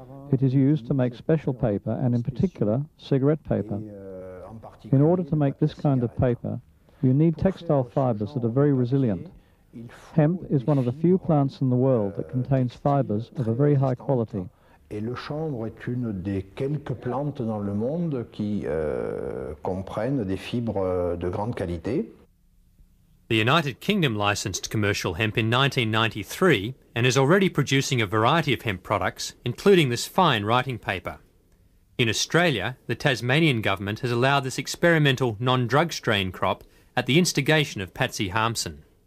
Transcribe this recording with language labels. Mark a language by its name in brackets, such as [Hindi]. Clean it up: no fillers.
[English] It is used to make special paper and in particular cigarette paper. In order to make this kind of paper, you need textile fibers that are very resilient. Hemp is one of the few plants in the world that contains fibers of a very high quality. [French] Et le chanvre est une des quelques plantes dans le monde qui comprennent des fibres de grande qualité. [English] The United Kingdom licensed commercial hemp in 1993 and is already producing a variety of hemp products, including this fine writing paper. In Australia, the Tasmanian government has allowed this experimental non-drug strain crop at the instigation of Patsy Harmson.